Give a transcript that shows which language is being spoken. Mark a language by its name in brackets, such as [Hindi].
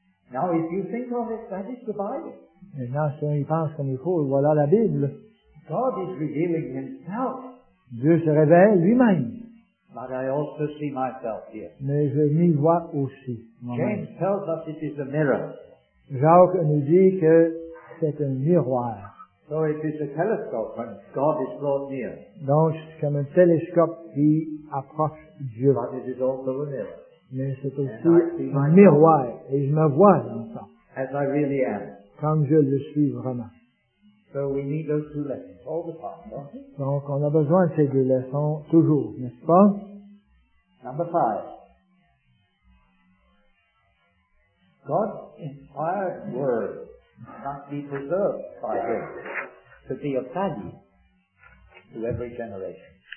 [English] Now, if you think of it, that is the Bible. [French] Maintenant, si on y pense comme il faut, voilà la Bible. [English] God is revealing himself. [French] Dieu se révèle lui-même. [English] But I also see myself here. [French] Mais je m'y vois aussi. [English] James tells us it is a mirror. [French] Jacques nous dit que c'est un miroir. [English] So it is a telescope when God is brought near. [French] Donc, c'est comme un télescope qui approche Dieu. [English] But it is also a mirror. [French] Mais c'est aussi un miroir. Et je me vois dans ça. [English] As I really am. [French] Comme je le suis vraiment. [English] So we need those two lessons all the time, don't we? [French] Donc, on a besoin de ces deux leçons toujours, n'est-ce pas? [English] Number five. God's inspired word. Must be preserved by him to be of value to every generation.